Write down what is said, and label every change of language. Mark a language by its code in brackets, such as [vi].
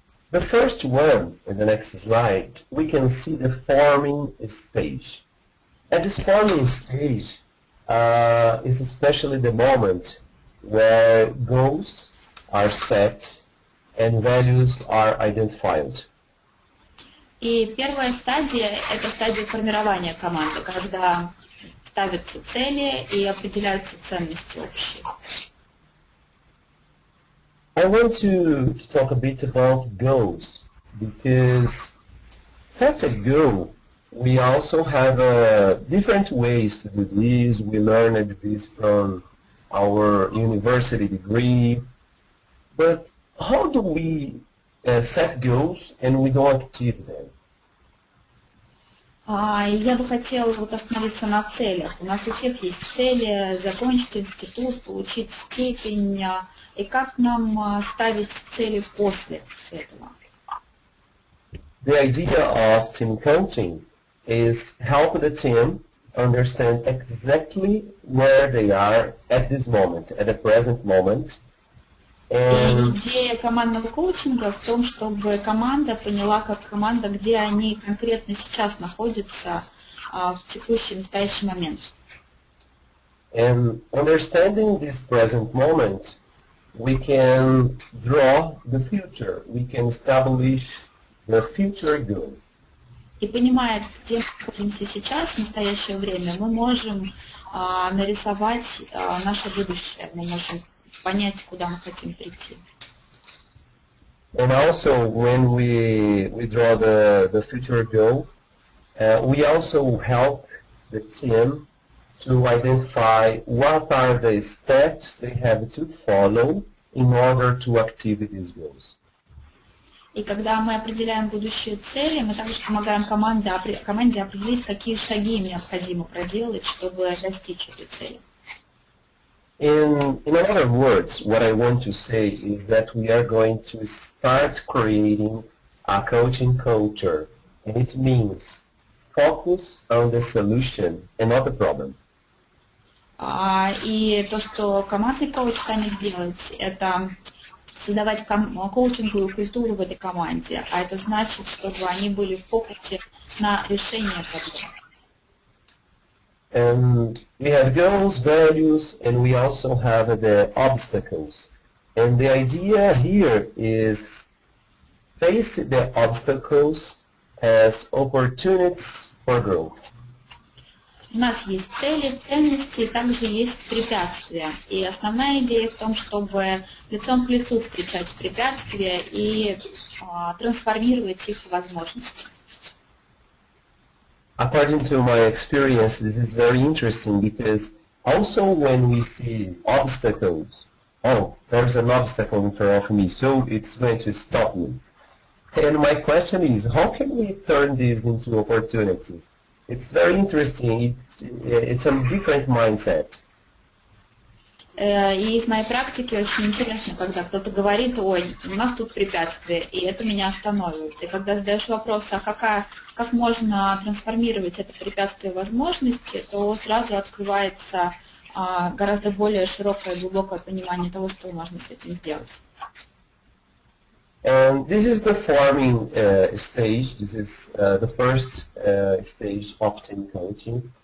[en] The first one, in the next slide, we can see the forming stage. At this forming stage, is especially the moment where goals are set and values are identified. [ru] И первая стадия – это стадия формирования команды, когда ставятся цели и определяются ценности общие. [en] I want to talk a bit about goals, because set a goal, we also have different ways to do this. We learned this from our university degree. But how do we set goals and we don't achieve them? [ru] Я бы хотела вот остановиться на целях. У нас у всех есть цели – закончить институт, получить степень. И как нам ставить цели после этого? [en] The idea of team coaching is help the team understand exactly where they are at this moment, at the present moment. [ru] И идея командного коучинга в том, чтобы команда поняла, как команда, где они конкретно сейчас находятся в текущий, настоящий момент. [en] And understanding this present moment, we can draw the future, we can establish the future goal. [ru] И понимая, где мы находимся сейчас, в настоящее время, мы можем нарисовать наше будущее, мы можем понять, куда мы хотим прийти. [en] And also, when we draw the future goal, we also help the team to identify what are the steps they have to follow in order to achieve these goals. [ru] И когда мы определяем будущие цели, мы также помогаем команде определить, какие шаги необходимо проделать, чтобы достичь этой цели. [en] In other words, what I want to say is that we are going to start creating a coaching culture, and it means focus on the solution and not the problem. [ru] И то, что командный коуч станет делать, это с создавать коучинговую культуру в этой команде, а это значит, чтобы они были в фокусе на решение проблем. [en] We have goals, values, and we also have the obstacles. And the idea here is face the obstacles as opportunities for growth. [ru] У нас есть цели, ценности, также есть препятствия. И основная идея в том, чтобы лицом к лицу встречать препятствия и трансформировать их в возможности. [en] According to my experience, this is very interesting because also when we see obstacles, oh, there's an obstacle in front of me, so it's going to stop me. And my question is, how can we turn this into opportunity? It's very interesting. It's a different mindset. [ru] И из моей практики очень интересно, когда кто-то говорит, ой, у нас тут препятствие, и это меня останавливает. И когда задаешь вопрос, а как можно трансформировать это препятствие в возможности, то сразу открывается гораздо более широкое и глубокое понимание того, что можно с этим сделать. [en] This is the forming stage. This is the first stage of team coaching.